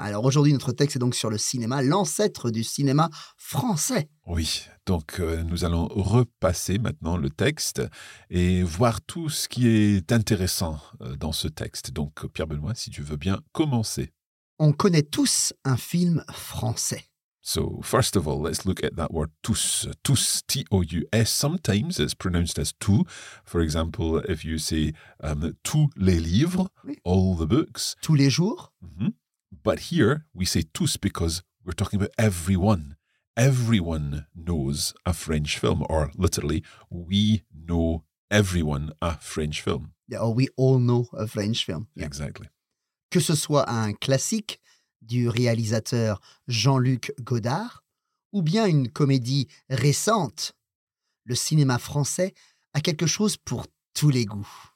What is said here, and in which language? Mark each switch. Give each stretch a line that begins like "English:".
French: Alors aujourd'hui, notre texte est donc sur le cinéma, l'ancêtre du cinéma français. Oui, donc nous allons repasser maintenant le texte et voir tout ce qui est intéressant dans ce texte. Donc Pierre-Benoît, si tu veux bien commencer. On connaît tous un film français.
English: So first of all, let's look at that word tous. Tous, T-O-U-S, sometimes it's pronounced as tout. For example, if you say
French: tous les livres, oui.
English: All the books.
French: Tous les jours. Mm-hmm.
English: But here we say tous because we're talking about everyone. Everyone knows a French film, or literally, we know everyone a French film. Yeah, or we all know a French film. Yeah. Exactly.
French: Que ce soit un classique du réalisateur Jean-Luc Godard, ou bien une comédie récente, le cinéma français a quelque chose pour tous les goûts.